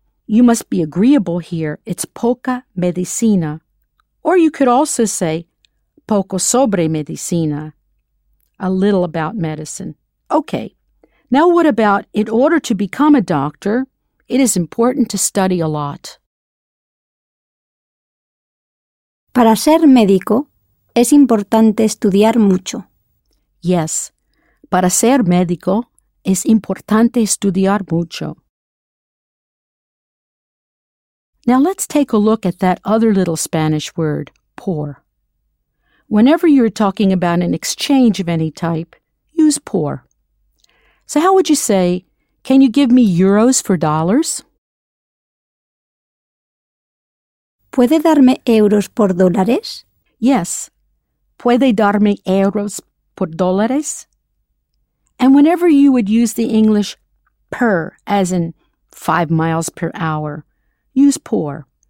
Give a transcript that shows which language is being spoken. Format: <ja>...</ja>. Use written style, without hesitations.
<en>You must be agreeable here. It's</en> <es>poca medicina.</es> <en>Or you could also say,</en> <es>poco sobre medicina,</es> <en>a little about medicine. Okay, now what about, in order to become a doctor, it is important to study a lot.</en> <es>Para ser médico, es importante estudiar mucho. Yes, para ser médico, es importante estudiar mucho.</es> <en>Now let's take a look at that other little Spanish word, por. Whenever you're talking about an exchange of any type, use por. So how would you say, can you give me euros for dollars?</en> <es>¿Puede darme euros por dólares?</es> <en>Yes.</en> <es>¿Puede darme euros por dólares?</es> <en>And whenever you would use the English per, as in 5 miles per hour, use por.</en>